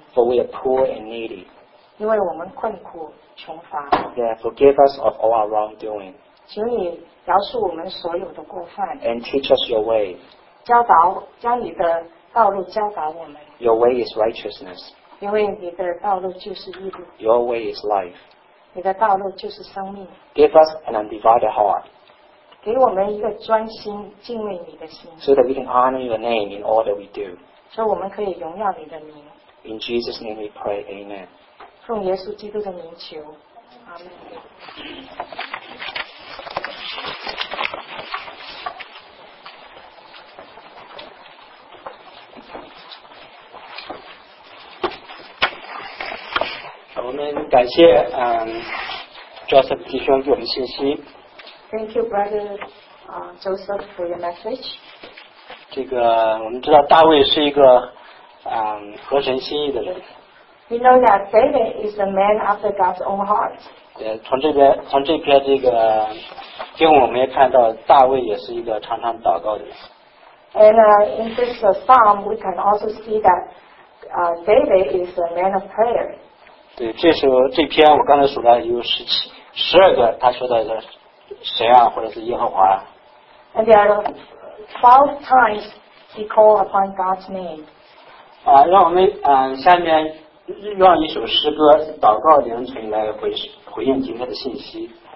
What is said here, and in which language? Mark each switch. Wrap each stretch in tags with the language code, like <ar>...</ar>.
<en>For we are poor and needy.</en> <zh>因为我们困苦穷乏。</zh> <en>Yeah, forgive us of all our wrongdoing.</en> <zh>请你饶恕我们所有的过犯。</zh> <en>And teach us your way.</en> <zh>将你的道路教导我们。</zh> <en>Your way is righteousness.</en> <zh>因为你的道路就是义路。</zh> <en>Your way is life.</en> <zh>你的道路就是生命。</zh> <en>Give us an undivided heart.</en> <zh>给我们一个专心敬畏你的心。</zh> <en>So that we can honor your name in all that we do.</en> <zh>所以我们可以荣耀你的名。</zh> <en>In Jesus' name we pray, Amen.</en> <zh>奉耶稣基督的名求， Amen. 感谢Joseph 弟兄给我们信息。</zh> <en>Thank you, brother Joseph, for your message.</en> <zh>这个我们知道大卫是一个合神心意的人。</zh> <en>We know that David is a man after God's own heart.</en> <zh>从这篇这个经文我们也看到大卫也是一个常常祷告的人。</zh> <en>And in this psalm, we can also see that David is a man of prayer.</en> <zh>对，这时候这篇我刚才数了有十二个，他说到的神啊，或者是耶和华。</zh> <en>And there are 12 times he called upon God's name.</en> <zh>啊，让我们下面用一首诗歌祷告凌晨来回应今天的信息。</zh>